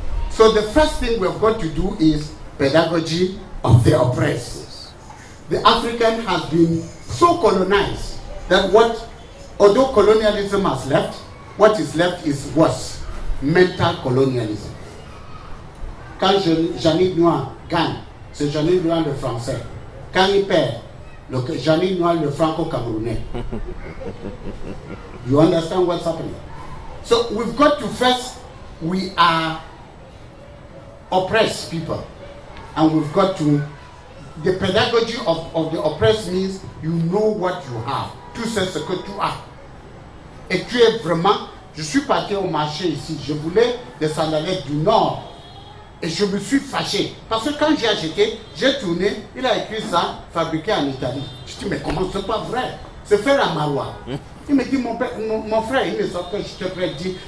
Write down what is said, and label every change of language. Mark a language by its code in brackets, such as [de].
[en] So the first thing we've got to do is pedagogy of the oppressed. The African has been so colonized that although colonialism has left, what is left is worse, mental colonialism. [fr] Quand Jean-Yves Noir gagne, c'est Jean-Yves Noir le français. Quand il perd, [en] Look, Jamie Noël, the Franco Camerounais. You understand what's happening? So we've got to first, we are oppressed people. And we've got to, the pedagogy of the oppressed means you know what you have. [fr] Tu sais ce que tu as. Et tu es vraiment, je suis parti au marché ici, je voulais des sandales du Nord. Et je me suis fâché. Parce que quand j'ai acheté, j'ai tourné, il a écrit ça, fabriqué en Italie. Je dis, mais comment c'est pas vrai? C'est fait à Maroua. Il me dit, mon frère, il me sort que je te prédis.